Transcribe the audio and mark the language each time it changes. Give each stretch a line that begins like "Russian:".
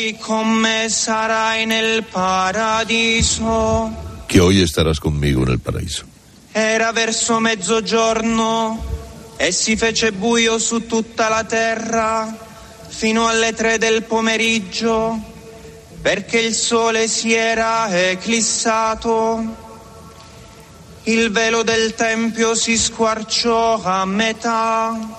Italian: con me sarai nel paradiso,
Spanish: que hoy estarás conmigo en el paraíso.
Italian: Era verso mezzogiorno e si fece buio su tutta la terra fino alle tre del pomeriggio, perché il sole si era eclissato, il velo del tempio si squarciò a metà.